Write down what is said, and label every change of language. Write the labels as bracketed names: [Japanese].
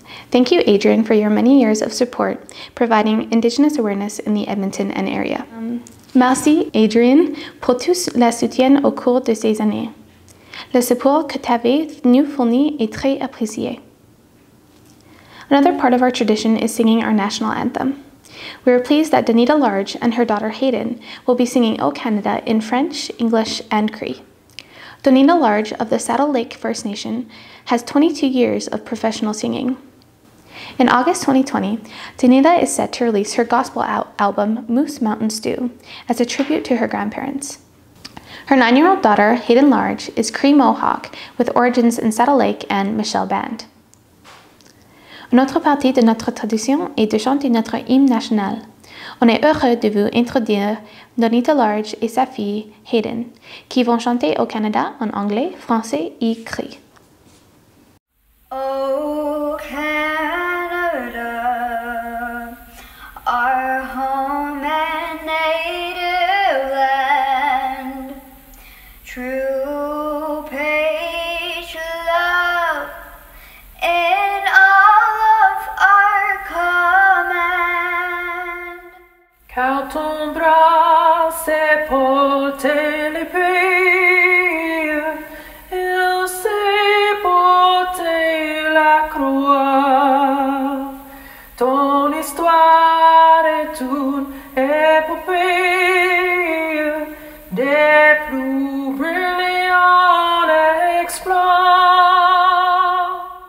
[English] Thank you, Adrian, for your many years of support providing Indigenous awareness in the Edmonton and area. [French] Merci, Adrian, pour tout le soutien au cours de ces années. Le support que tu avais nous fourni est très apprécié. [English] Another part of our tradition is singing our national anthem. We are pleased that Danita Large and her daughter Hayden will be singing O Canada in French, English, and Cree. Danita Large of the Saddle Lake First Nation has 22 years of professional singing. In August 2020, Danita is set to release her gospel album Moose Mountain Stew as a tribute to her grandparents. Her 9-year-old daughter, Hayden Large, is Cree Mohawk with origins in Saddle Lake and Michelle Band. [French] Une autre partie de notre tradition est de chanter notre hymne national. On est heureux de vous introduire Danita Large et sa fille, Hayden, qui vont chanter au Canada en anglais, français et Cree. [English] Oh, Canada, our home and native land, true page love in all of our command. [French] Car ton bras s'est porté les pays, il s'est porté la croix. Ton histoire est une épopée des plus brillants exploits.